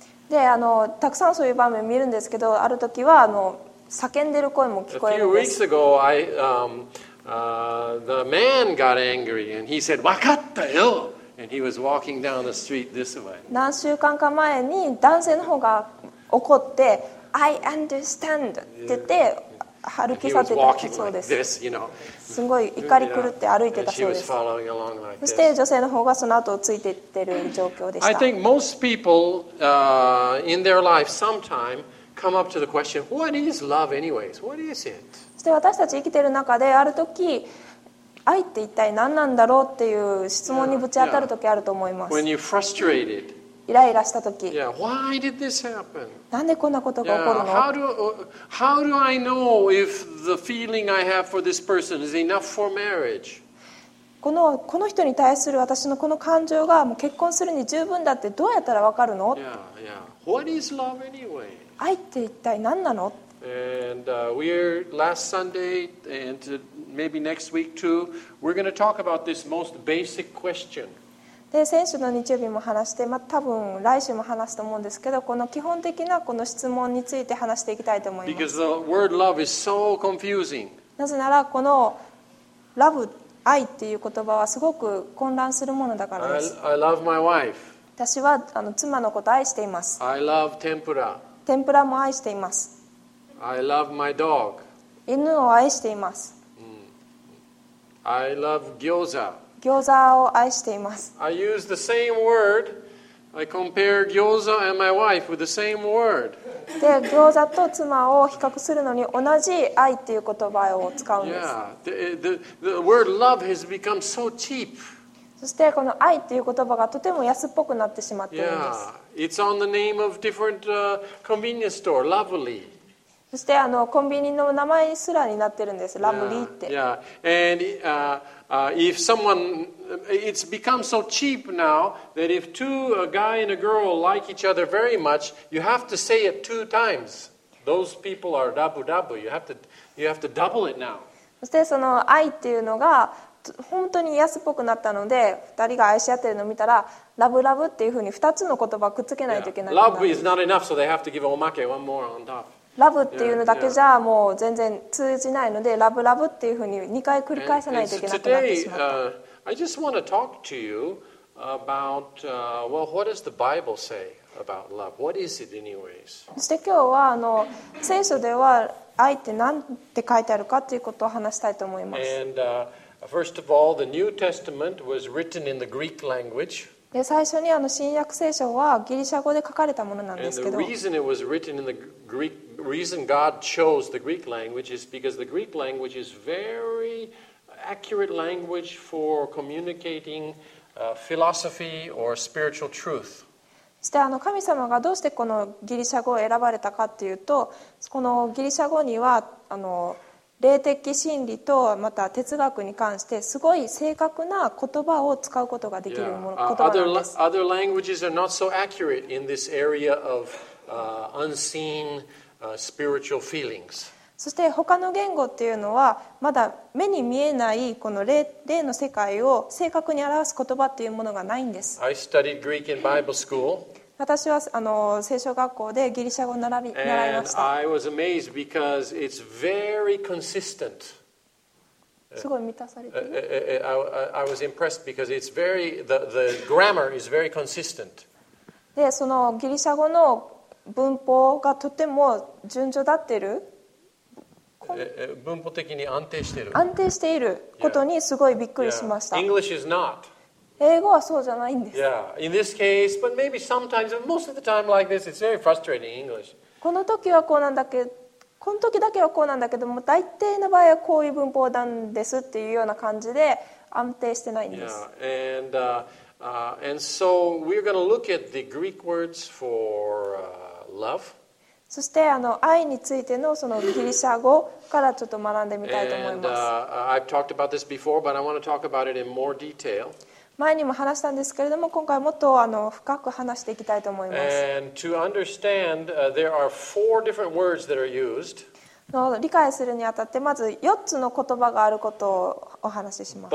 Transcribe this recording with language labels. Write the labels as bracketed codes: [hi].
[ja] で、たくさんそういう場面見るんですけど、ある時は叫んでる声も聞こえるんです。 [en] A few weeks ago, the man got angry and he said, [ja] わかったよ! [en] And he was walking down the street this way. [ja] 何週間か前に男性の方が怒って [en] I understand [ja] って言って歩き去ってたそうです。すごい怒り狂って歩いてたそうです。そして女性の方がその後ついていってる状況でした。 [en] I think most people in their life sometime come up to the question what is love anyways? What is it? [ja] そして私たち生きてる中である時愛って一体何なんだろうっていう質問にぶち当たる時あると思います。 [en] When you're frustrated [ja] イライラした時、 [en] yeah. Why did this happen? [ja] なんでこんなことが起こるの? [en] Yeah. How do I know if the feeling I have for this person is enough for marriage? [ja] この人に対する私のこの感情がもう結婚するに十分だってどうやったらわかるの? [en] Yeah, yeah. What is love anyway? [ja] 愛って一体何なの? [en] And we're last Sunday and maybe next week too. We're going to talk about this most basic question. [ja] で先週の日曜日も話して、まあ、多分来週も話すと思うんですけど、この基本的なこの質問について話していきたいと思います。 [en] Because the word love is so confusing. [ja] なぜならこの love 愛っていう言葉はすごく混乱するものだからです。 [en] I love my wife. [ja] 私は妻のことを愛しています。 [en] I love tempura. [ja] 天ぷらも愛しています。 [en] I love my dog. [ja] 犬を愛しています。 [en] Mm. I love 餃子。 [ja] 餃子を愛しています。 [en] I use the same word. I compare 餃子 and my wife with the same word. [ja] で餃子と妻を比較するのに同じ愛っていう言葉を使うんです。 [en] Yeah. The word love has become so cheap. [ja] そしてこの愛っていう言葉がとても安っぽくなってしまっているんです。 [en] Yeah. It's on the name of different convenience store. Lovely. [ja] そしてコンビニの名前すらになってるんです。ラムリーって。 [en] Yeah. And if someone, it's become so cheap now that if two, a guy and a girl like each other very much, you have to say it two times. Those people are double double. You have to double it now. [ja] そしてその愛っていうのが本当に安っぽくなったので、二人が愛し合ってるのを見たら、ラブラブっていうふうに二つの言葉をくっつけないといけない。 [en] Yeah. Love is not enough, so they have to give omake one more on top. [ja] ラブっていうのだけじゃもう全然通じないので、ラブラブっていうふうに2回繰り返さないといけなくなってしまった。 [en] Today, I just want to talk to you about, well, what does the Bible say about love? What is it anyways? [ja] そして今日は聖書では愛って何て書いてあるかということを話したいと思います。 [en] And first of all, the New Testament was written in the Greek language. [ja] 最初に新約聖書はギリシャ語で書かれたものなんですけど、 [en] reason it was written in the Greek, reason God chose the Greek language is because the Greek language is very accurate language for communicating philosophy or spiritual truth. [ja] そして神様がどうしてこのギリシャ語を選ばれたかっていうと、このギリシャ語には霊的真理とまた哲学に関してすごい正確な言葉を使うことができるもの、言葉なんです。 [en] Other languages are not so accurate in this area of unseen spiritual feelings. [ja] そして他の言語っていうのはまだ目に見えないこの 霊の世界を正確に表す言葉っていうものがないんです。 [en] I studied Greek in Bible school. [ja] 私はあの聖書学校でギリシャ語を習いました。 [en] And I was amazed because it's very consistent. [ja] すごい満たされている。 [en] I was impressed because it's very, the grammar is very consistent. [ja] で、そのギリシャ語の文法がとても順序立ってる。文法的に安定している。安定していることにすごいびっくりしました。 [en] Yeah. English is not. [ja] 英語はそうじゃないんです。 [en] Yeah, in this case, but maybe sometimes, but most of the time like this, it's very frustrating English. [ja] この時はこうなんだけ、この時だけはこうなんだけども、大抵の場合はこういう文法なんですっていうような感じで安定してないんです。 [en] Yeah, and and so we're going to look at the Greek words for love. [ja] そしてあの愛についてのそのギリシャ語からちょっと学んでみたいと思います。 [en] And I've talked about this before, but I want to talk about it in more detail. [ja] 前にも話したんですけれども、今回もっとあの深く話していきたいと思います。 [en] And to understand, there are four different words that are used. [ja] 理解するにあたって、まず4つの言葉があることをお話しします。